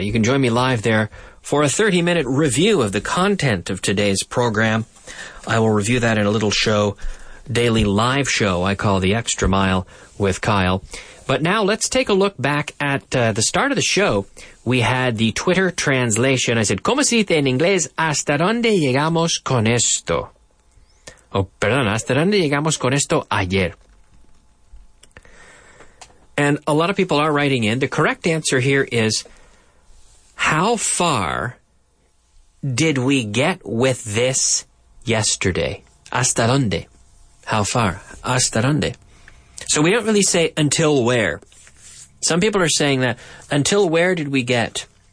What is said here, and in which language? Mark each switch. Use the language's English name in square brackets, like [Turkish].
[English] You can join me live there for a 30-minute review of the content of today's program. I will review that in a little show, daily live show I call The Extra Mile with Kyle. But now let's take a look back at the start of the show. We had the Twitter translation. I said, [Spanish] ¿Cómo se dice en inglés? ¿Hasta dónde llegamos con esto? ¿Hasta dónde llegamos con esto ayer? [English] And a lot of people are writing in. The correct answer here is, how far did we get with this yesterday? [Spanish] ¿Hasta dónde? [English] How far? ¿Hasta dónde? So we don't really say until where. Some people are saying that, until where did we get?